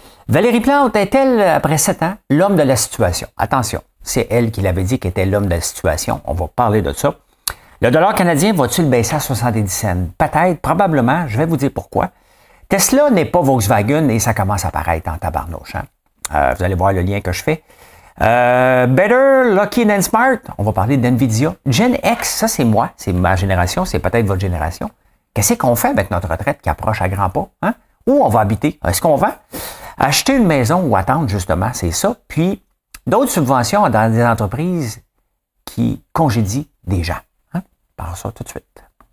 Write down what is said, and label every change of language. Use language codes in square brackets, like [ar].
[fr] Valérie Plante est-elle, après 7 ans, l'homme de la situation? Attention, c'est elle qui l'avait dit qu'elle était l'homme de la situation. On va parler de ça. Le dollar canadien va-t-il baisser à 70 cents? Peut-être, probablement, je vais vous dire pourquoi. Tesla n'est pas Volkswagen et ça commence à apparaître en tabarnouche. Hein? Vous allez voir le lien que je fais. [en] Better, lucky than smart. [fr] On va parler d'NVIDIA. Gen X, ça c'est moi, c'est ma génération, c'est peut-être votre génération. Qu'est-ce qu'on fait avec notre retraite qui approche à grands pas? Hein? Où on va habiter? Est-ce qu'on vend? Acheter une maison ou attendre justement, c'est ça. Puis, d'autres subventions dans des entreprises qui congédient des gens. Alors ça tout de suite.